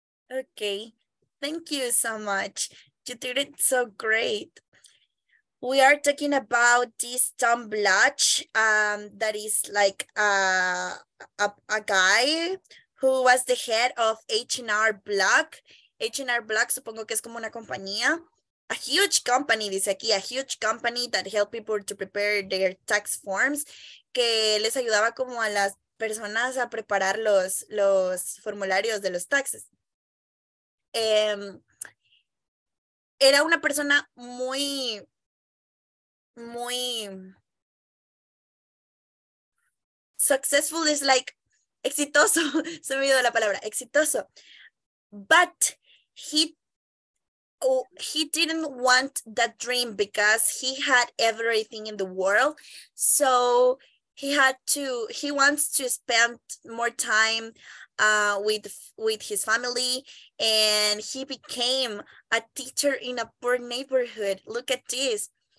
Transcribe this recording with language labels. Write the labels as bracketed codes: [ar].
[en] Okay, thank you so much. You did it so great. We are talking about this Tom Bloch, that is like a guy who was the head of H&R Block. [es] H&R Block, supongo que es como una compañía. [en] A huge company, [es] dice aquí, [en] a huge company that helped people to prepare their tax forms, [es] que les ayudaba como a las personas a preparar los formularios de los taxes. Era una persona muy, muy successful, [en] is like [es] exitoso, se me olvidó la palabra, exitoso. [en] But he didn't want that dream because he had everything in the world. So he wants to spend more time with his family, and he became a teacher in a poor neighborhood. Look at this.